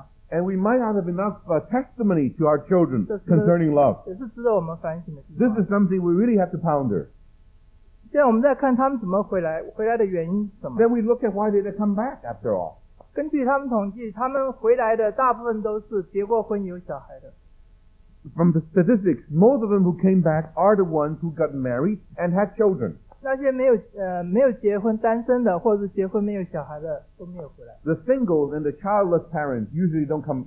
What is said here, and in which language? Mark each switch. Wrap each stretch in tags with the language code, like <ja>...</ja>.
<en>And we might not have enough testimony to our children concerning love. This is something we really have to ponder. Then we look at why did they come back after all.</en> <zh>根据他们统计，他们回来的大部分都是结过婚有小孩的。</zh> <en>From the statistics, most of them who came back are the ones who got married and had children.</en> <zh>那些没有结婚单身的，或者是结婚没有小孩的，都没有回来。</zh> <en>The singles and the childless parents usually don't come.</en>